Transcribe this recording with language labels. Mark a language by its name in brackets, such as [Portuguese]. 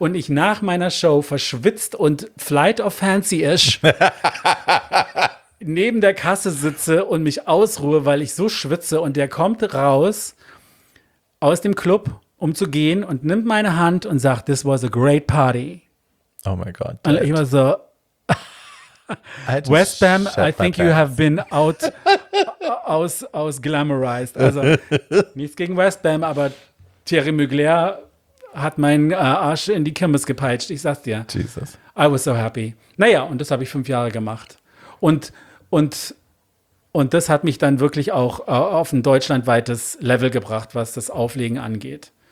[German] Und ich nach meiner Show verschwitzt und [English] flight of fancy-ish [German] neben der Kasse sitze und mich ausruhe, weil ich so schwitze. Und der kommt raus aus dem Club, um zu gehen und nimmt meine Hand und sagt, [English] this was a great party. Oh my God. Dad. [German] Und ich war so, [English] West Bam, I think you have been out, aus glamorized. [German] Also nichts gegen West Bam, aber Thierry Mugler hat meinen Arsch in die Kirmes gepeitscht. Ich sag's dir. [English] Jesus. I was so happy. [German] Naja, und das habe ich 5 Jahre gemacht. Und das hat mich dann wirklich auch auf ein deutschlandweites Level gebracht, was das Auflegen angeht.